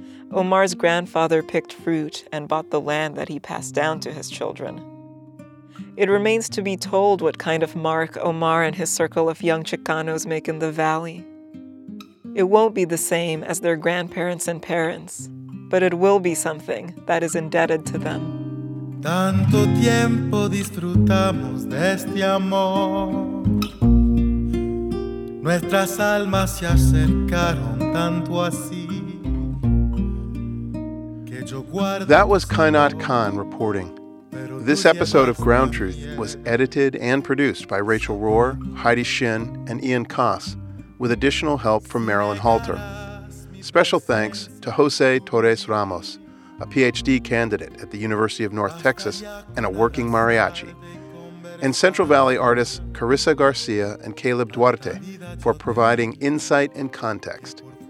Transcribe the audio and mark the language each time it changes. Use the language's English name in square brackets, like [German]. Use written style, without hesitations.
[English] Omar's grandfather picked fruit and bought the land that he passed down to his children. It remains to be told what kind of mark Omar and his circle of young Chicanos make in the valley. It won't be the same as their grandparents and parents, but it will be something that is indebted to them. [Spanish] Tanto tiempo disfrutamos de este amor. Nuestras almas se acercaron tanto así que yo guardo. [English] That was Kainat Khan reporting. This episode of Ground Truth was edited and produced by Rachel Rohr, Heidi Shin, and Ian Koss, with additional help from Marilyn Halter. Special thanks to Jose Torres Ramos, a PhD candidate at the University of North Texas and a working mariachi, and Central Valley artists Carissa Garcia and Caleb Duarte for providing insight and context.